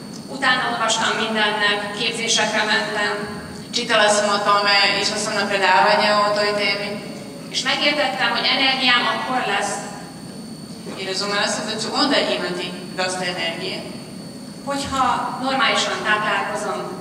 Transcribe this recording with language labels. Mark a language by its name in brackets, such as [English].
[Hungarian] Utána olvastam mindennek, képzésekre mentem. [Serbian] Čitala sam o tome, išla sam na predavanje o toj temi. [Hungarian] És megértettem, hogy energiám akkor lesz. [Serbian] I razumela sam da ću onda imati dosta energije. [Hungarian] Hogyha normálisan táplálkozom.